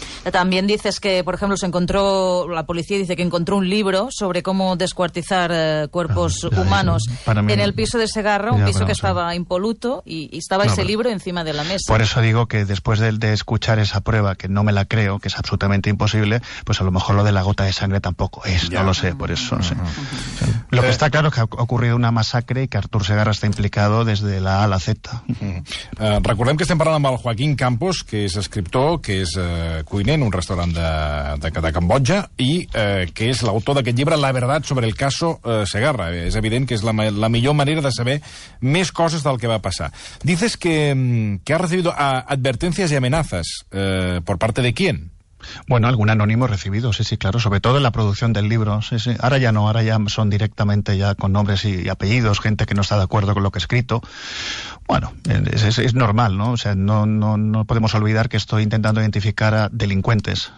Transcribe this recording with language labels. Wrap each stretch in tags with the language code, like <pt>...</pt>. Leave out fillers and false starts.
<es>También dices que, por ejemplo, la policía dice que encontró un libro sobre cómo descuartizar cuerpos humanos en el piso de Segarra, que estaba impoluto, y estaba ese libro encima de la mesa. Por eso digo que después de escuchar esa prueba, que no me la creo, que es absolutamente imposible, pues a lo mejor lo de la gota de sangre tampoco es, ya. No lo sé, por eso. Sí. Lo que está claro es que ha ocurrido una masacre y que Artur Segarra está implicado desde la A a la Z.</es> <ca>Recordem que estem parlant amb el Joaquín Campos, que és escriptor, que és cuiner en un restaurant de Cambodja, i que és l'autor d'aquest llibre, La Verdad sobre el caso Segarra. És evident que és la millor manera de saber més coses del que va passar.</ca> <es>Dices que ha recibido advertencias y amenazas. ¿Por parte de quién? Bueno, algún anónimo recibido, sí, claro, sobre todo en la producción del libro, sí, sí. Ahora ya no, ahora ya son directamente ya con nombres y apellidos, gente que no está de acuerdo con lo que he escrito. Bueno, es normal, ¿no? O sea, no podemos olvidar que estoy intentando identificar a delincuentes.</es>